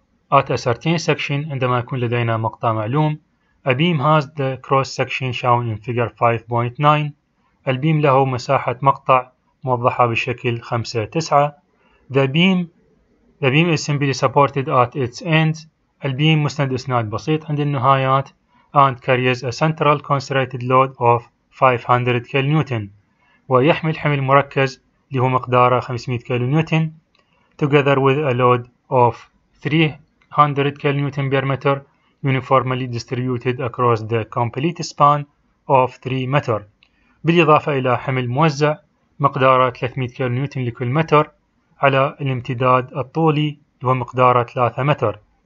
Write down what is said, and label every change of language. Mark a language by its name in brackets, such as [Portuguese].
[English] At a certain section, [Arabic] عندما يكون لدينا مقطع معلوم, [English] a beam has the cross section shown in figure 5.9. [Arabic] البيم له مساحة مقطع موضحة بشكل 5.9. [English] The beam is simply supported at its ends. [Arabic] البيم مسند إسناد بسيط عند النهايات. [English] And carries a central concentrated load of 500 kN. [Arabic] ويحمل حمل مركز له مقداره 500 كيلو نيوتن [English] together with a load of 300 [Arabic] كيلو نيوتن بير متر [English] uniformly distributed across the complete span of [Arabic] 3 متر بالإضافة إلى حمل موزع مقداره 300 كيلو نيوتن لكل متر على الامتداد الطولي له مقداره 3 متر.